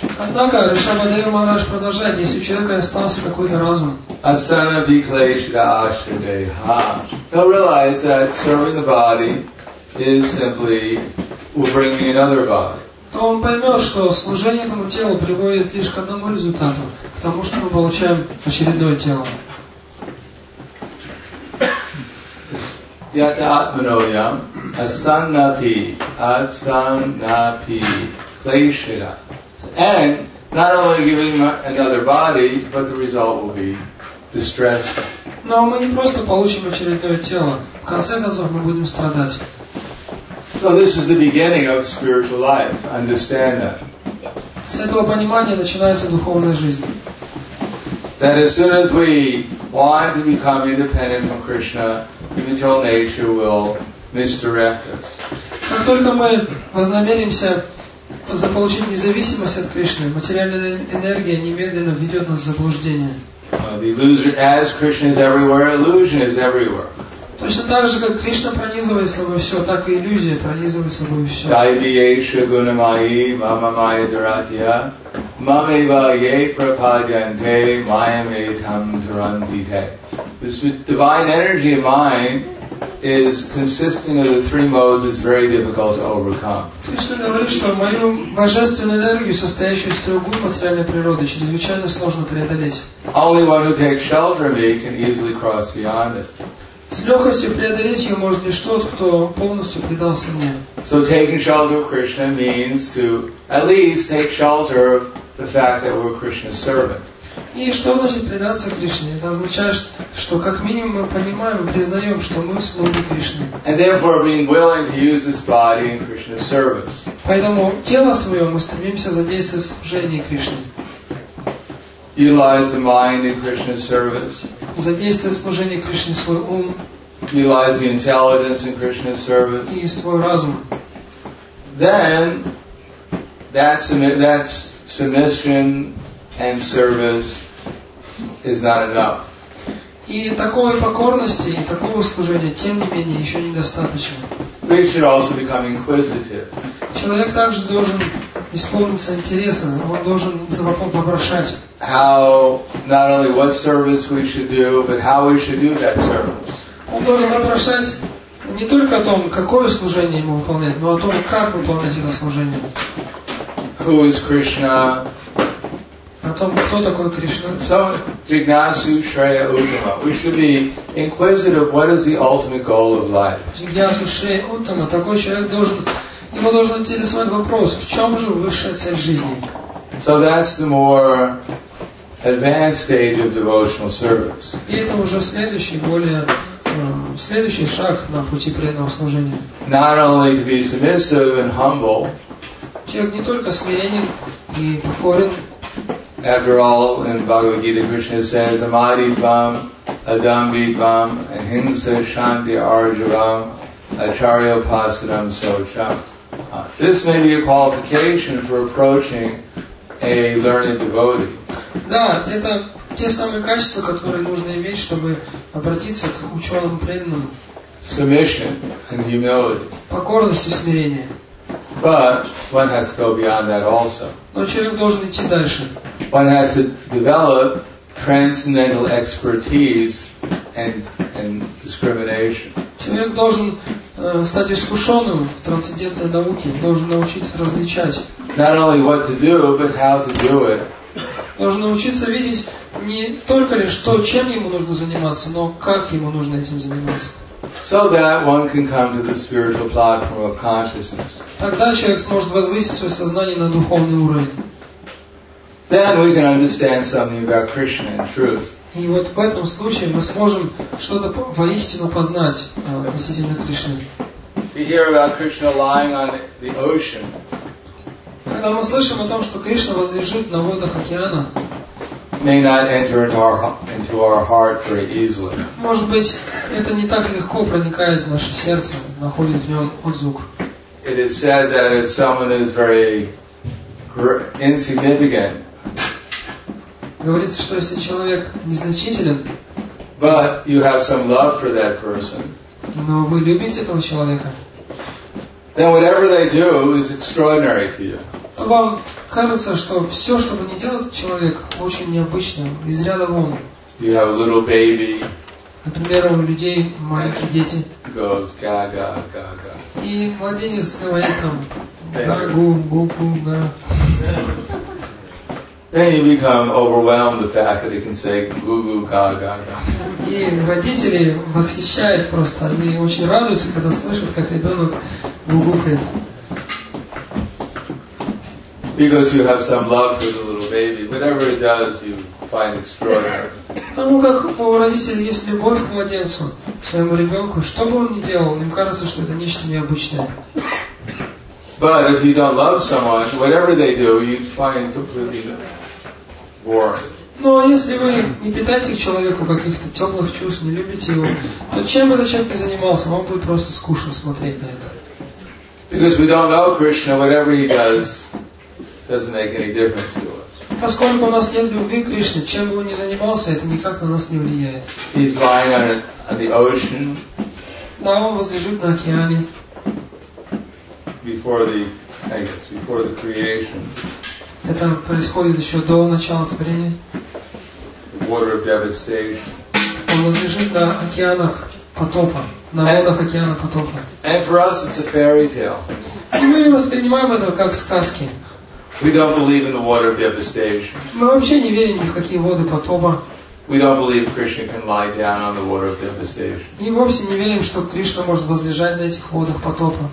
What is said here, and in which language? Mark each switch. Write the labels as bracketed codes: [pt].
[ru] Однако Ришабхадева Махарадж продолжает, если у человека остался какой-то разум. [sa] Asana vikleshda ashradeha. [en] He'll realize that serving the body is simply bringing another body. [ru] То он поймет, что служение этому телу приводит лишь к одному результату, к тому, что мы получаем очередное тело. [sa] Yata atmanoyam asannapi asannapi kleshira. [en] And not only giving another body, but the result will be distress. [ru] Но мы не просто получим очередное тело. В конце концов мы будем страдать. [en] So this is the beginning of spiritual life. Understand that. [ru] С этого понимания начинается духовная жизнь. [en] That as soon as we want to become independent from Krishna, the material nature will misdirect us. [ru] Как только мы вознамеримся заполучить независимость от Кришны, материальная энергия немедленно ведет нас в заблуждение. [en] The illusion, as Krishna is everywhere, illusion is everywhere. [ru] Точно так же, как Кришна пронизывает собой все, так и иллюзия пронизывает собой все. [sa] Дайвиеша гунамайи мамамайя дуратья мамева е пропаганте майаме там дурандите. [en] This divine energy of mind is consisting of the three modes it's very difficult to overcome. [ru] Кришна говорит, что мою божественную энергию, состоящую из трех гун материальной природы, чрезвычайно сложно преодолеть. [en] Only one who takes shelter of me can easily cross beyond it. [ru] С легкостью преодолеть ее может лишь тот, кто полностью предался мне. [en] So taking shelter of Krishna means to at least take shelter of the fact that we're Krishna's servant. [ru] И что значит предаться Кришне? Это означает, что как минимум мы понимаем, признаем, что мы слуги Кришны. [en] And therefore being willing to use this body in Krishna's service. [ru] Поэтому тело свое мы стремимся задействовать в служении Кришне. [en] Utilize the mind in Krishna's service. [ru] Задействовать в служении Кришне свой ум. [en] Utilize the intelligence in Krishna's service. [ru] И свой разум. [en] Then that's submission and service is not enough. [ru] И такой покорности и такого служения тем не менее еще недостаточно. [en] We should also become inquisitive. [ru] Человек также должен исполниться интереса, он должен вопрошать. [en] How not only what service we should do, but how we should do that service. [ru] Он должен вопрошать не только о том, какое служение ему выполнять, но о том, как выполнять это служение. [en] Who is Krishna? [ru] О том, кто такой Кришна. [sa] So, Jignasu Shreya Uttama. [en] We should be inquisitive of what is the ultimate goal of life. [sa] Jignasu Shreya Uttama. [ru] Такой человек должен, его должен интересовать вопрос, в чем же высшая цель жизни. [en] So that's the more advanced stage of devotional service. [ru] И это уже следующий, более следующий шаг на пути преданного служения. [en] Not only to be submissive and humble. [ru] Человек не только смиренен и покорен. [en] After all, in Bhagavad Gita, Krishna says, [sa] "Amadi bham, adambi bham, ahimsa shanti arjavam, acharya pasadam socham." [en] This may be a qualification for approaching a learned devotee. [ru] Да, это те самые качества, которые нужно иметь, чтобы обратиться к ученому преданному. [en] Submission and humility. [ru] Покорность и смирение. [en] But one has to go beyond that also. [ru] Но человек должен идти дальше. [en] One has to develop transcendental expertise and discrimination. [ru] Человек должен стать искушенным в трансцендентной науке, должен научиться различать. [en] Not only what to do, but how to do it. [ru] Должен научиться видеть не только лишь то, чем ему нужно заниматься, но как ему нужно этим заниматься. [en] So that one can come to the spiritual platform of consciousness. [ru] Тогда человек сможет возвысить свое сознание на духовный уровень. [en] Then we can understand something about Krishna and truth. [ru] И вот в этом случае мы сможем что-то воистину познать относительно Кришны. [en] We hear about Krishna lying on the ocean. [ru] Когда мы слышим о том, что Кришна возлежит на водах океана, [en] may not enter into our heart very easily. [ru] Может быть, это не так легко проникает в наше сердце, находит в нем отзвук. [en] It is said that if someone is very insignificant. [ru] Говорится, что если человек незначителен, [en] but you have some love for that person. [ru] Но вы любите этого человека. [en] Then whatever they do is extraordinary to you. [ru] То вам кажется, что все, что бы ни делал этот человек, очень необычно, из ряда вон. [en] You have a little baby. [ru] Например, у людей маленькие дети. [en] Goes ga ga ga ga. [ru] И младенец говорит там ga gu gu gu ga. [en] Then you become overwhelmed the fact that he can say gu gu ga ga ga. [ru] И родители восхищают просто, они очень радуются, когда слышат, как ребенок гугукает. [en] Because you have some love for the little baby, whatever it does, you find extraordinary. [ru] Потому как у родителей есть любовь к младенцу, к своему ребенку, что бы он ни делал, им кажется, что это нечто необычное. [en] But if you don't love someone, whatever they do, you find completely boring. [ru] Но если вы не питаете к человеку каких-то теплых чувств, не любите его, то чем этот человек не занимался, вам будет просто скучно смотреть на это. [en] Because we don't know Krishna, whatever he does. doesn't make any difference to us. [ru] Поскольку у нас нет любви к Кришне, чем бы он ни занимался, это никак на нас не влияет. [en] He's lying on the ocean. [ru] Да, он возлежит на океане. [en] Before the, I guess, before the creation. [ru] Это происходит еще до начала творения. [en] The water of devastation. [ru] Он возлежит на океанах потопа, на водах океана потопа. [en] And for us it's a fairy tale. [ru] И мы воспринимаем это как сказки. [en] We don't believe in the water of devastation. [ru] Мы вообще не верим ни в какие воды потопа. [en] We don't believe Krishna can lie down on the water of devastation. [ru] И вовсе не верим, что Кришна может возлежать на этих водах потопа.